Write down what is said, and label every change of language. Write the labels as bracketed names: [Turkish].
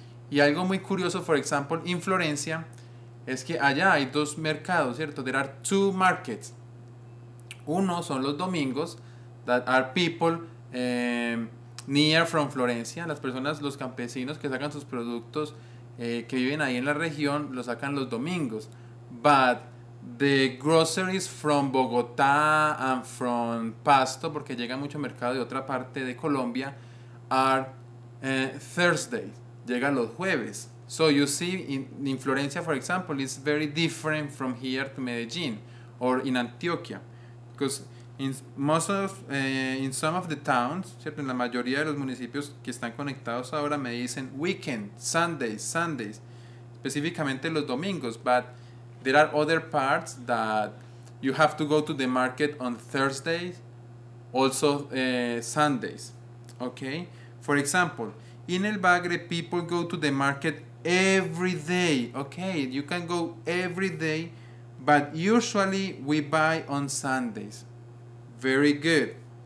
[Spanish] Y algo muy curioso, [English] for example, in Florencia, [Spanish] es que allá hay dos mercados, ¿cierto? [English] There are two markets. [Spanish] Uno son los domingos, [English] that are people near from Florencia. [Spanish] Las personas, los campesinos que sacan sus productos, que viven ahí en la región, los sacan los domingos. [English] But the groceries from Bogotá and from Pasto, [Spanish] porque llega mucho mercado de otra parte de Colombia, [English] are Thursday, [Spanish] llega los jueves. [English] So you see, in Florencia, for example, it's very different from here to Medellín or in Antioquia. Because in some of the towns, ¿cierto? [Spanish] En la mayoría de los municipios que están conectados ahora me dicen [English] weekend, Sundays, [Spanish] específicamente los domingos. [English] But there are other parts that you have to go to the market on Thursdays, also Sundays. Okay. For example, in El Bagre, people go to the market every day. Okay, you can go every day. But usually we buy on Sundays. Very good.